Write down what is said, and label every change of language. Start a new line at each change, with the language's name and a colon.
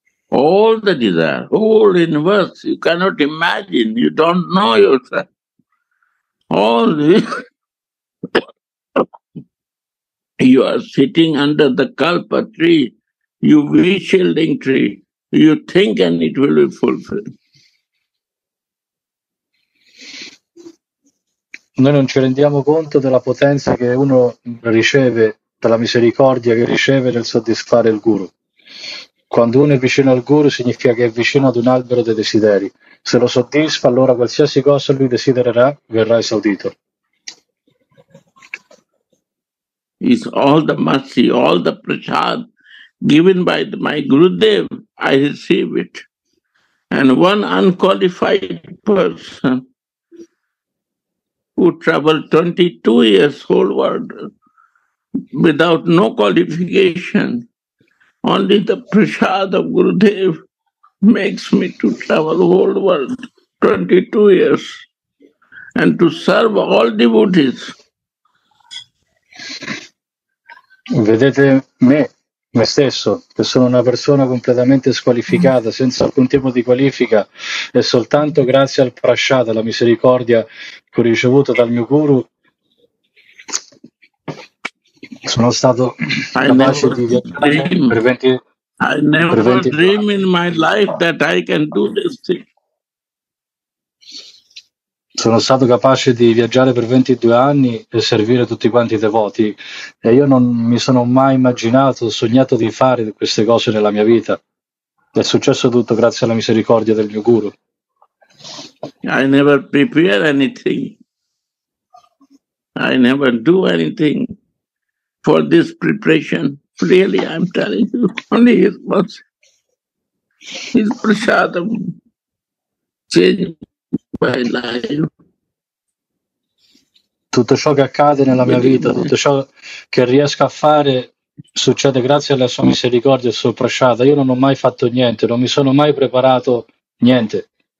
English: All the desire, whole universe, you cannot imagine, you don't know yourself. All this. You are sitting under the kalpa tree, you wish shielding tree, you think and it will be fulfilled.
Italian: Noi non ci rendiamo conto della potenza che uno riceve, della misericordia che riceve nel soddisfare il Guru. Quando uno è vicino al Guru significa che è vicino ad un albero dei desideri. Se lo soddisfa, allora qualsiasi cosa lui desidererà verrà esaudito.
English: It's all the mercy, all the prasad given by my Gurudev, I receive it. And one unqualified person who traveled 22 years whole world without no qualification, only the prasad of Gurudev makes me to travel whole world 22 years and to serve all devotees.
Italian: Vedete me stesso, che sono una persona completamente squalificata, senza alcun tipo di qualifica, e soltanto grazie al prasad, alla misericordia che ho ricevuto dal mio guru, sono stato capace di
English: dream in my life that I can do this thing.
Italian: Sono stato capace di viaggiare per 22 anni e servire tutti quanti i devoti e io non mi sono mai immaginato, sognato di fare queste cose nella mia vita. È successo tutto grazie alla misericordia del mio guru.
English: I never prepare anything. I never do anything for this preparation. Really, I'm telling you, only his mercy, his prasadam changed my life.
Italian: Tutto ciò che accade nella mia vita, tutto ciò che riesco a fare succede grazie alla sua misericordia e al suo prasciata. Io non ho mai fatto niente, non mi sono mai preparato niente.